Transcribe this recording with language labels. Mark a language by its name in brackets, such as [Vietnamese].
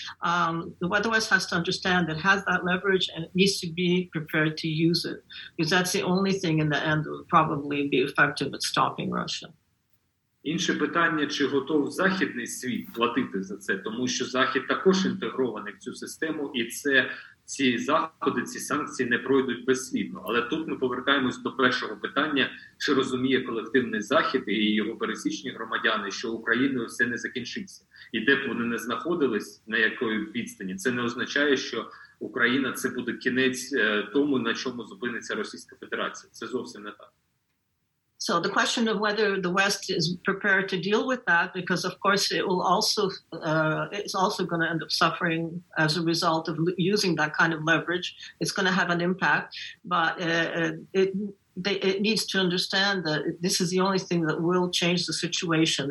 [English] The West has to understand it has that leverage and it needs to be prepared to use it, because that's the only thing in the end that will probably be effective at stopping Russia. [Ukrainian] Інше питання, чи готов західний світ платити за це, тому що Захід також інтегрований в цю систему, і це ці заходи, ці санкції не пройдуть безслідно. Але тут ми повертаємось до першого питання, чи розуміє колективний Захід і його пересічні громадяни, що Україною все не закінчиться. І де б вони не знаходились, на якої відстані, це не означає, що Україна – це буде кінець тому, на чому зупиниться Російська Федерація. Це зовсім не так. [English] So the question of whether the West is prepared to deal with that, because of course it will also it's also going to end up suffering as a result of using that kind of leverage. It's going to have an impact, but it it needs to understand that this is the only thing that will change the situation.